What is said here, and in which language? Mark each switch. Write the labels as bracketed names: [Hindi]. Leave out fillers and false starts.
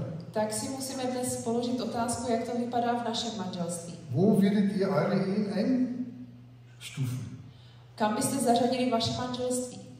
[Czech] Tak si musíme dnes položit otázku, jak to vypadá v našem manželství. [German] Wo würdet ihr eure Ehen einstufen? [Czech] Kam byste zařadili vaše manželství?